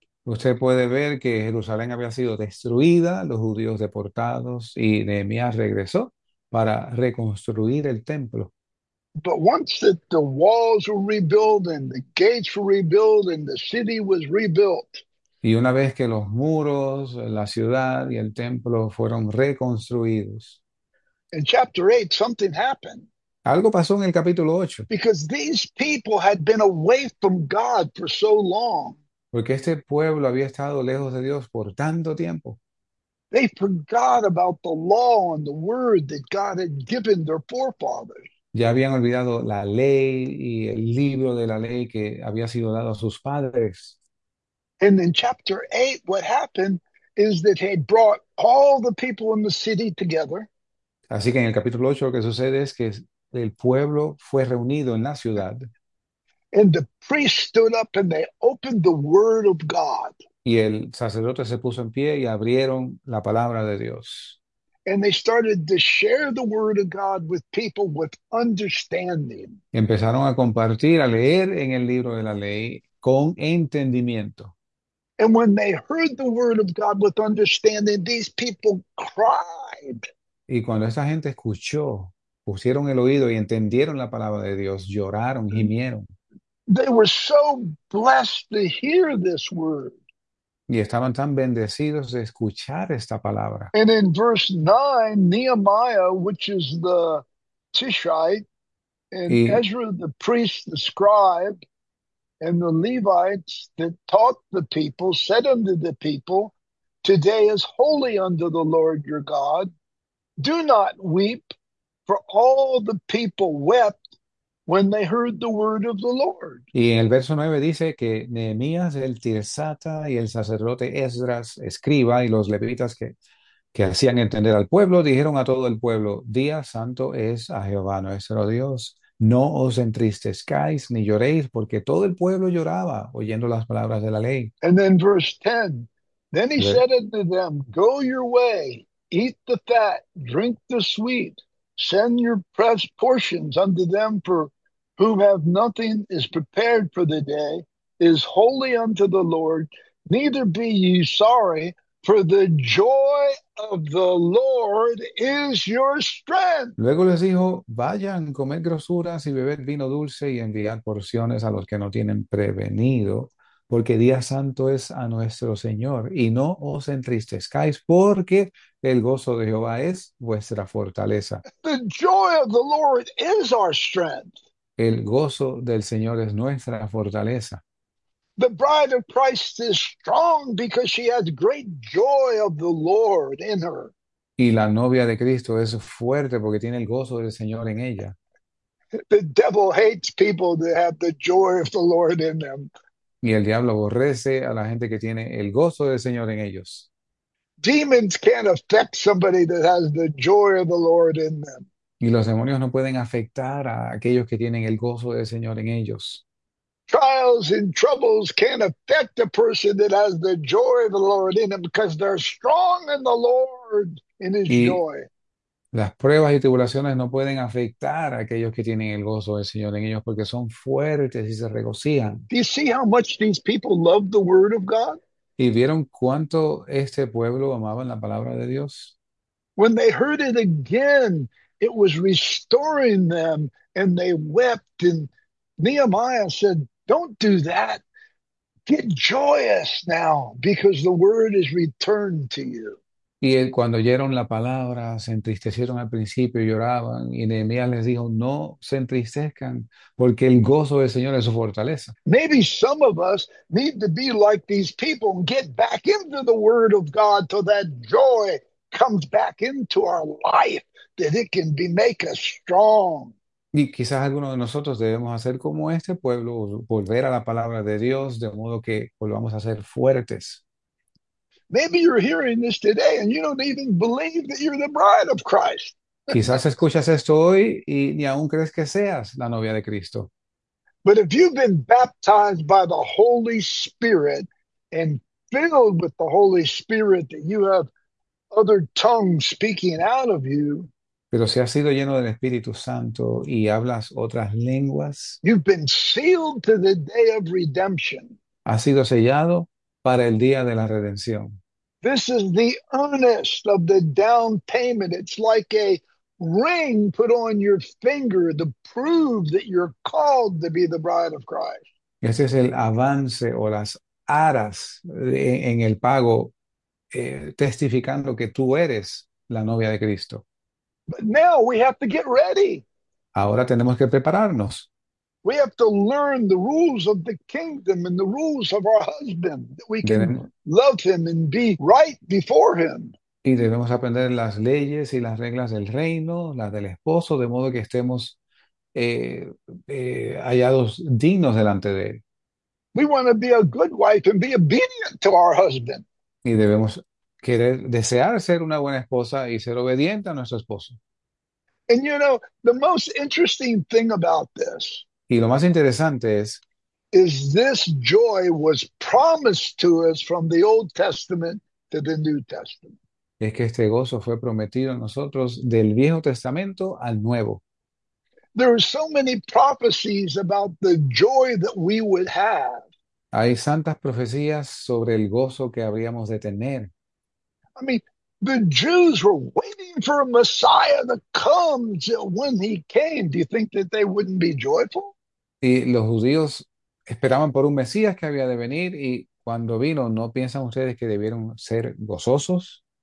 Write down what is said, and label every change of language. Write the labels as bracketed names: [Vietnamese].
[Spanish] usted puede ver que Jerusalén había sido destruida, los judíos deportados, y Nehemías regresó para reconstruir el templo. [English] But once that the walls were rebuilt and the gates were rebuilt and the city was rebuilt, [Spanish] Y una vez que los muros, la ciudad y el templo fueron reconstruidos, [English] in chapter 8, something happened. [Spanish] algo pasó en el capítulo 8. [English] Because these people had been away from God for so long. [Spanish] Porque este pueblo había estado lejos de Dios por tanto tiempo. [English] They forgot about the law and the word that God had given their forefathers. [Spanish] Ya habían olvidado la ley y el libro de la ley que había sido dado a sus padres. [English] And in chapter 8, what happened is that he brought all the people in the city together. [Spanish] Así que en el capítulo 8 lo que sucede es que el pueblo fue reunido en la ciudad [English] And the priest stood up and they opened the word of God. [Spanish] y el sacerdote se puso en pie y abrieron la palabra de Dios. [English] And they started to share the word of God with people with understanding. [Spanish] Empezaron a compartir, a leer en el libro de la ley con entendimiento. [English] And when they heard the word of God with understanding, these people cried. [Spanish] Y cuando esta gente escuchó, pusieron el oído y entendieron la palabra de Dios, lloraron, gimieron. [English] They were so blessed to hear this word. [Spanish] Y estaban tan bendecidos de escuchar esta palabra. [English] And in verse 9, Nehemiah, which is the Tishite, and [Spanish] Y [English] Ezra, the priest, the scribe, and the Levites that taught the people said unto the people, today is holy unto the Lord your God. Do not weep, for all the people wept when they heard the word of the Lord. [Spanish] En el verso 9 dice que Nehemías, el Tirsata y el sacerdote Esdras, escriba y los levitas que hacían entender al pueblo, dijeron a todo el pueblo, día santo es a Jehová, nuestro Dios. No os entristezcáis ni lloréis, porque todo el pueblo lloraba oyendo las palabras de la ley. [English] And then verse 10, then he said unto them, go your way, eat the fat, drink the sweet, send your portions unto them for whom have nothing is prepared for the day, is holy unto the Lord, neither be ye sorry, for the joy of the Lord is your strength. [Spanish] Luego les dijo, vayan, comed grosuras y beber vino dulce y enviar porciones a los que no tienen prevenido, porque día santo es a nuestro Señor, y no os entristezcáis, porque el gozo de Jehová es vuestra fortaleza. [English] The joy of the Lord is our strength. [Spanish] El gozo del Señor es nuestra fortaleza. [English] The bride of Christ is strong because she has great joy of the Lord in her. [Spanish] Y la novia de Cristo es fuerte porque tiene el gozo del Señor en ella. [English] The devil hates people that have the joy of the Lord in them. [Spanish] Y el diablo aborrece a la gente que tiene el gozo del Señor en ellos. [English] Demons can't affect somebody that has the joy of the Lord in them. [Spanish] Y los demonios no pueden afectar a aquellos que tienen el gozo del Señor en ellos. [English] Trials and troubles can't affect a person that has the joy of the Lord in them because they're strong in the Lord in his [Spanish] Y [English] joy. [Spanish] las pruebas y tribulaciones no pueden afectar a aquellos que tienen el gozo del Señor en ellos porque son fuertes y se regocijan. [English] Do you see how much these people love the word of God? [Spanish] ¿Y vieron cuánto este pueblo amaba la palabra de Dios? [English] When they heard it again, it was restoring them, and they wept. And Nehemiah said, "Don't do that. Get joyous now, because the word is returned to you." [Spanish] Y cuando oyeron la palabra, se entristecieron al principio y lloraban. Y Nehemías les dijo: No se entristezcan, porque el gozo del Señor es su fortaleza. [English] Maybe some of us need to be like these people and get back into the word of God till that joy comes back into our life, that it can be make us strong. [Spanish] Y quizás algunos de nosotros debemos hacer como este pueblo, volver a la palabra de Dios de modo que volvamos a ser fuertes. [English] Maybe you're hearing this today and you don't even believe that you're the bride of Christ. [Spanish] Quizás escuchas esto hoy y ni aún crees que seas la novia de Cristo. [English] But if you've been baptized by the Holy Spirit and filled with the Holy Spirit, that you have other tongues speaking out of you, [Spanish] Pero si has sido lleno del Espíritu Santo y hablas otras lenguas, [English] you've been sealed to the day of redemption. [Spanish] has sido sellado para el día de la redención. [English] This is the earnest of the down payment. It's like a ring put on your finger to prove that you're called to be the bride of Christ. [Spanish] Ese es el avance o las aras en el pago, testificando que tú eres la novia de Cristo. [English] But now we have to get ready. [Spanish] Ahora tenemos que prepararnos. [English] We have to learn the rules of the kingdom and the rules of our husband, that we can love him and be right before him. [Spanish] Y debemos aprender las leyes y las reglas del reino, las del esposo, de modo que estemos hallados dignos delante de él. [English] We want to be a good wife and be obedient to our husband. [Spanish] Y debemos querer desear ser una buena esposa y ser obediente a nuestro esposo. [English] And you know, the most interesting thing about this [Spanish] Y lo más interesante es [English] is this joy was promised to us from the Old Testament to the New Testament. [Spanish] que este gozo fue prometido a nosotros del Viejo Testamento al Nuevo. [English] There are so many prophecies about the joy that we would have. [Spanish] Hay santas profecías sobre el gozo que habríamos de tener. [English] I mean, the Jews were waiting for a Messiah to come. When he came, do you think that they wouldn't be joyful? [Spanish] Y los judíos esperaban por un Mesías que había de venir, y cuando vino, ¿no piensan ustedes que debieron ser gozosos?